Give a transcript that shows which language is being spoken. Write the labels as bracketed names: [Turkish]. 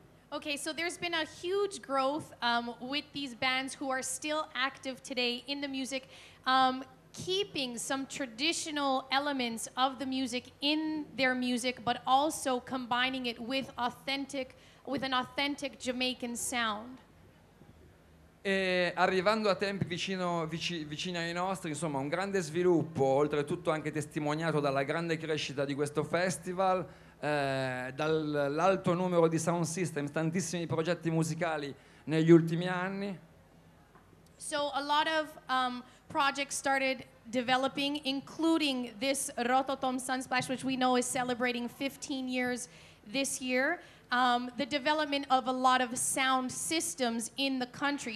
[English] Okay, so there's been a huge growth with these bands who are still active today in the music, keeping some traditional elements of the music in their music, but also combining it with an authentic Jamaican sound. [Italian] E arrivando a tempi vicini ai nostri, insomma, un grande sviluppo, oltretutto anche testimoniato dalla grande crescita di questo festival, dall'alto numero di sound system, tantissimi progetti musicali negli ultimi anni. [English] So a lot of projects started developing, including this Rototom Sunsplash, which we know is celebrating 15 years this year. The development of a lot of sound systems in the country.